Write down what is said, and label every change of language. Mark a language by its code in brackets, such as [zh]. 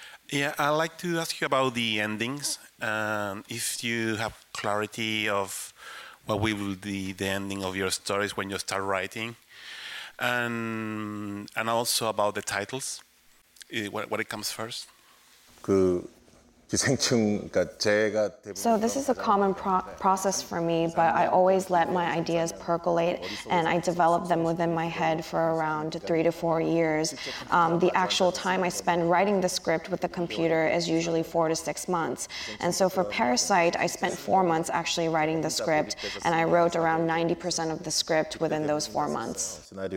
[en] Yeah, I'd like to ask you about the endings. If you have clarity of what will be the ending of your stories when you start writing, and also about the titles, what it comes first? [ko] 그 기생충, 그러니까 제가 대부분 [en] So this is a common process for me, but I always let my ideas percolate, and I develop them within my head for around 3 to 4 years. The actual time I spend writing the script with the computer is usually 4 to 6 months. And so for Parasite, I spent 4 months actually writing the script, and I wrote around 90% of the script within those 4 months.